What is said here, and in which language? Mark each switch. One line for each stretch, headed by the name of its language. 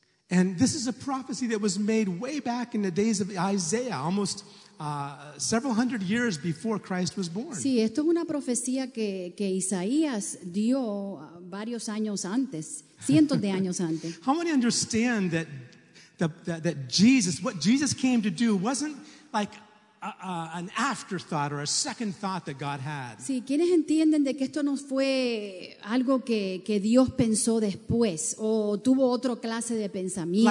English: And this is a prophecy that was made way back in the days of Isaiah, almost several hundred years before Christ was born.
Spanish: Sí, esto es una profecía que Isaías dio varios años antes, cientos de años antes.
English: How many understand that Jesus, what Jesus came to do wasn't like an afterthought or a second thought that God had.
Spanish: Sí, ¿quiénes entienden de que esto no fue algo que Dios pensó después o tuvo otro clase de pensamiento?